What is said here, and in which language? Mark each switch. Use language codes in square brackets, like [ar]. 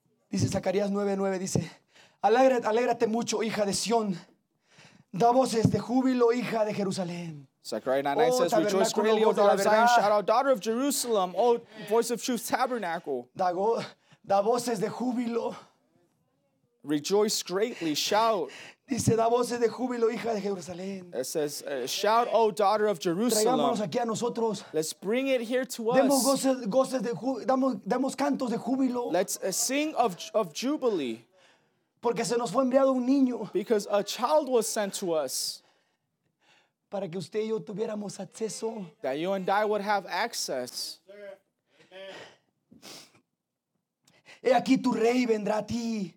[es] Dice Zacarías 9:9, dice, alégrate mucho, hija de Sión. Da voces de júbilo, hija de Jerusalén. [en] Zechariah 9:9 says, rejoice greatly, O daughter of Zion, shout out, daughter of Jerusalem, O voice of truth, tabernacle. [es] Da voces de júbilo. [en] Rejoice greatly, shout. [es] Dice, da voces de júbilo, hija de Jerusalén. [en] It says, shout, O daughter of Jerusalem. [es] Traigámonos aquí a nosotros. [en] Let's bring it here to us. [es] Demos goces de damos cantos de júbilo. [en] Let's sing of jubilee. [es] Porque se nos fue enviado un niño. [en] Because a child was sent to us. [es] Para que usted y yo tuviéramos acceso. [en] That you and I would have access. [es] He aquí tu rey vendrá a ti.